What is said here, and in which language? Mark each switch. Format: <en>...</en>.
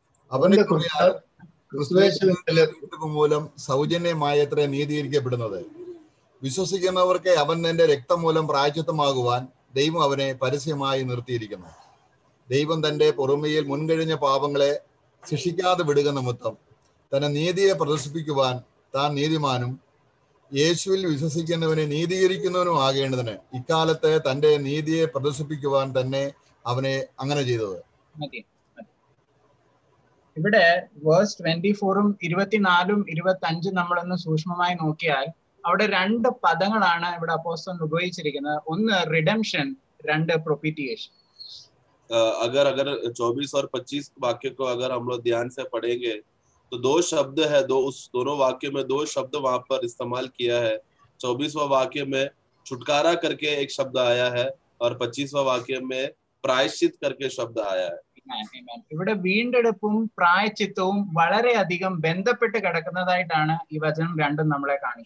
<ml>അവനെ കുറിയാ ക്രിസ്തുയേശുവിന്റെ രക്തമൂലം സൗജന്യമായത്ര നീതീകരിക്കപ്പെടുന്നത് വിശ്വസിക്കുന്നവർക്ക് അവന്റെ രക്തമൂലം പ്രായശ്ചിത്തമാകുവാൻ ദൈവം അവനെ പരസ്യമായി നിർത്തിയിരിക്കുന്നു ദൈവം തന്റെ പുറമേയിൽ മുൻകഴിഞ്ഞ പാപങ്ങളെ ശിക്ഷിക്കാതെ വിടുക നിമിത്തം തന്റെ നീതിയെ പ്രദർശിപ്പിക്കുവാൻ താൻ നീതിമാനും യേശുവിൽ വിശ്വസിക്കുന്നവനെ നീതീകരിക്കുന്നവനും ആകേണ്ടതിന് ഇക്കാലത്ത് തന്റെ നീതിയെ പ്രദർശിപ്പിക്കുവാൻ തന്നെ അവനെ അങ്ങനെ ചെയ്തത് ഇവിടെ വേഴ്സ് 24 24 25 നമ്മളൊന്ന് സൂക്ഷ്മമായി നോക്കിയാൽ അവിടെ രണ്ട് പദങ്ങളാണ് ഇവിടെ അപ്പോസ്തലൻ ഉപയോഗിച്ചിരിക്കുന്നത് ഒന്ന് റിഡംപ്ഷൻ രണ്ട് പ്രൊപിറ്റിയേഷൻ</ml> <hi>अगर अगर 24 और 25 वाक्य को अगर हम लोग ध्यान से पढ़ेंगे तो दो शब्द है दो उस दोनों वाक्य में दो शब्द वहां पर इस्तेमाल किया है 24वां वाक्य में छुटकारा करके एक शब्द आया है और 25वां वाक्य में प्रायश्चित करके शब्द आया है</hi> <ml>ഇവിടെ വീണ്ടെടുപ്പും പ്രായശ്ചിത്തവും വളരെ അധികം ബന്ധപ്പെട്ട് കിടക്കുന്നതായിട്ടാണ് ഈ വചനം രണ്ടും നമ്മളെ</ml>